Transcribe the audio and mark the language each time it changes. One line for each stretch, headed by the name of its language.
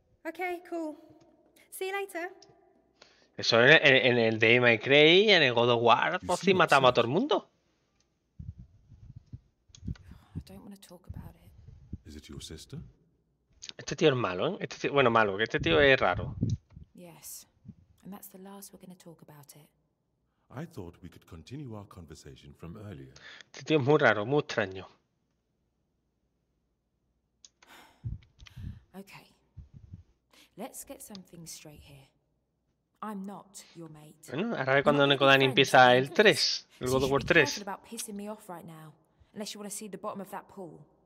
English: Okay, cool. See you later.
Spanish: Eso en el Devil May Cry, en el God of War, por si matamos a todo el mundo.
English: I don't want to talk about it. Is it your sister?
Spanish: Este tío es malo, ¿eh? Este tío, bueno, malo, que este tío es raro.
English: Yes. And that's the last we're going to talk about it. I thought we could continue our conversation from earlier.
Spanish: Este tío es muy raro, muy extraño.
English: Okay. Let's get some things straight here. I'm not your mate.
Spanish: Bueno, ahora ve cuando Nekodan empieza el 3, el God of War 3.
English: You're about pissing me off right now, unless you want to see the bottom of that pool.